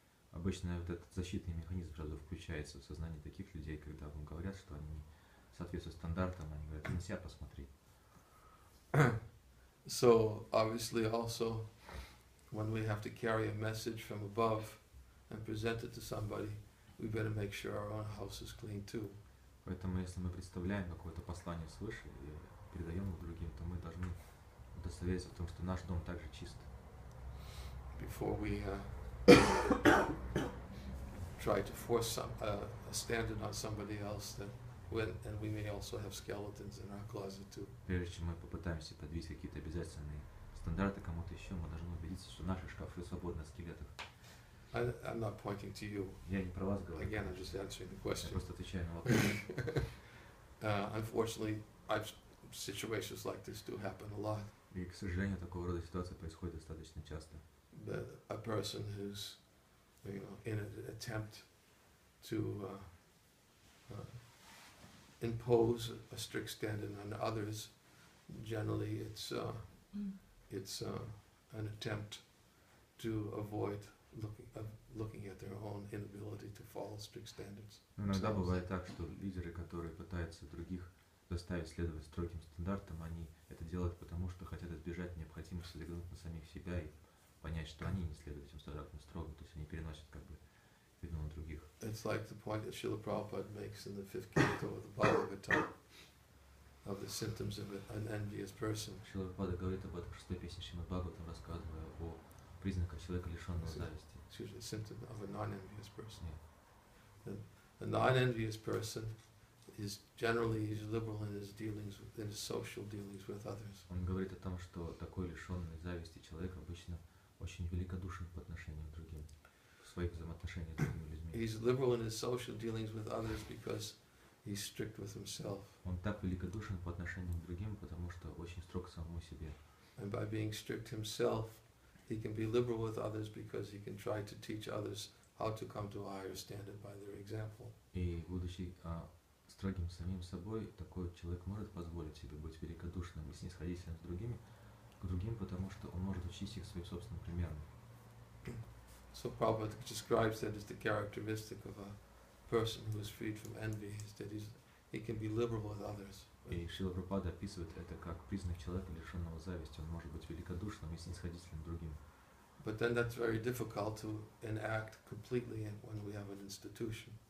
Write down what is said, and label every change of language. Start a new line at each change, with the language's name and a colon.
Russian: Обычно вот этот защитный механизм сразу включается в сознании таких людей, когда вам говорят, что они соответствуют стандартам, они говорят: "На себя посмотри."
English: So obviously, also, when we have to carry a message from above and present it to somebody, we better make sure our own house is clean too.
Russian: Поэтому, если мы представляем какое-то послание свыше и передаем его другим, то мы должны удостовериться в том, что наш дом также чист.
English: Before we try to force a standard on somebody else, and we may also have skeletons in our closet too.
Russian: Прежде чем мы попытаемся подвесить какие-то обязательные стандарты кому-то еще, мы должны убедиться, что наши шкафы свободны от скелетов.
English: I'm not pointing to you.
Russian: Я не про вас говорю.
English: Again, I'm just answering the question.
Russian: Я просто отвечаю на вопрос.
English: Unfortunately, situations like this do happen a lot.
Russian: И, к сожалению, такого рода ситуация происходит достаточно часто.
English: A person who's, you know, in an attempt to impose a strict standard on others, generally it's an attempt to avoid looking at their own inability to follow strict standards.
Russian: Иногда бывает так, что лидеры, которые пытаются других заставить следовать строгим стандартам, они это делают потому, что хотят избежать необходимости взглянуть на самих себя и понять, что они не следуют этим стандартам строго, то есть они переносят как бы вину на других.
English: It's like the point that Srila Prabhupada makes in the fifth canto of the Bhagavata of the symptoms of an envious person.
Russian: Srila Prabhupada говорит об этом в шестой песне Шримад Бхагаватам, рассказывая о признаках человека, лишенного зависти.
English: Excuse me, symptom of a non-envious person. A non-envious person is generally liberal in his dealings with, in his social dealings with others.
Russian: Он говорит о том, что такой лишенный зависти человек обычно очень великодушен по отношению к другим, в своих взаимоотношениях с другими людьми.
English: He's liberal in his social dealings with others because he's strict with himself.
Russian: Он так великодушен по отношению к другим, потому что очень строг к самому себе.
English: And by being strict himself, he can be liberal with others because he can try to teach others how to come to a higher standard by their example.
Russian: И будучи строгим самим собой, такой человек может позволить себе быть великодушным и снисходительным с другими, к другим, потому что он может учить их своим собственным примером.
English: So Prabhupada describes that as the characteristic of a person who is freed from envy, is that he can be liberal with others.
Russian: И Шрила Прабхупада описывает это как признак человека, лишенного зависти. Он может быть великодушным и снисходительным к другим.
English: But then that's very difficult to enact completely when we have an institution.